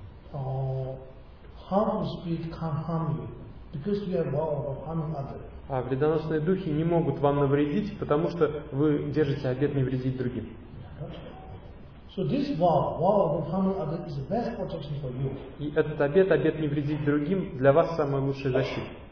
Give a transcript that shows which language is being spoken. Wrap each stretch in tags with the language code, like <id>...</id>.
<en>Harmful spirit can't harm you because you have vow of harming others.</en> <ru>А вредоносные духи не могут вам навредить, потому что вы держите обет не вредить другим.</ru> <en>So this vow of harming others is the best protection for you.</en> <ru>И этот обет, обет не вредить другим, для вас самая лучшая защита.</ru>